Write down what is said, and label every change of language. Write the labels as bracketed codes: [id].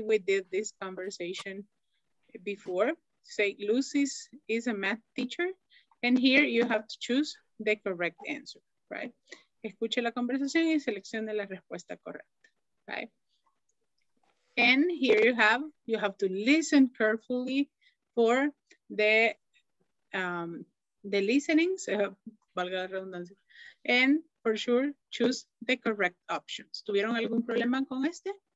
[en] We did this conversation before. Say, Lucy is a math teacher. And here you have to choose the correct answer, right? [es] Escuche la conversación y seleccione la respuesta correcta, right? [en] And here you have to listen carefully for the listenings, [es] valga la redundancia, [en] and for sure, choose the correct options. [es] ¿Tuvieron algún problema con este?